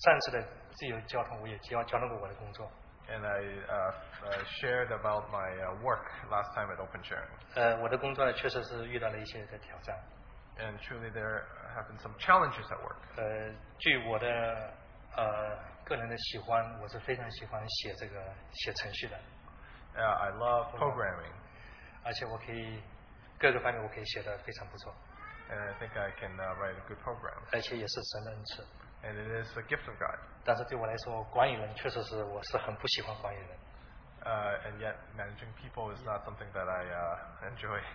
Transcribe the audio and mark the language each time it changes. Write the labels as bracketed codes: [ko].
[zh] 那这个事情呢，我一直是在上次的自由交通，我也交通过我的工作。 [en] And I shared about my work last time at Open Sharing. [zh] 我的工作呢，确实是遇到了一些挑战。 [en] And truly, there have been some challenges at work. [zh] 据我的个人的喜欢，我是非常喜欢写程序的。 [en] Yeah, I love programming. [zh] 而且我可以各个方面我可以写的非常不错。 [en] And I think I can write a good program. [zh] 而且也是神的恩赐。 [en] And it is a gift of God. [zh] 但是对我来说，管理人确实是我是很不喜欢管理人。 [en] And yet managing people is not something that I enjoy.